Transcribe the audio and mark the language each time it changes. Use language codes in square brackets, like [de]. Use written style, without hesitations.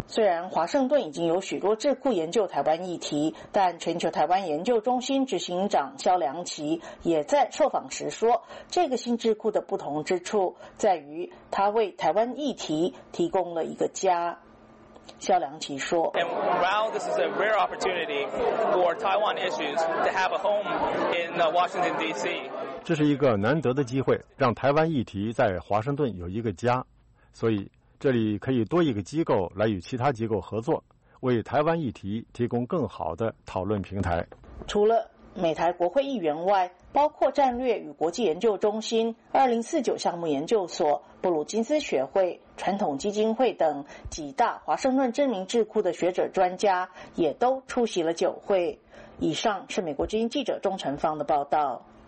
[zh] 虽然华盛顿已经有许多智库研究台湾议题，但全球台湾研究中心执行长萧良奇也在受访时说，这个新智库的不同之处在于它为台湾议题提供了一个家。萧良奇说 [en] And while this is a rare opportunity for Taiwan issues to have a home in Washington DC [zh] 这是一个难得的机会让台湾议题在华盛顿有一个家所以这里可以多一个机构来与其他机构合作为台湾议题提供更好的讨论平台除了美台国会议员外包括战略与国际研究中心2049项目研究所布鲁金斯学会传统基金会等几大华盛顿知名智库的学者专家也都出席了酒会以上是美国之音记者钟晨芳的报道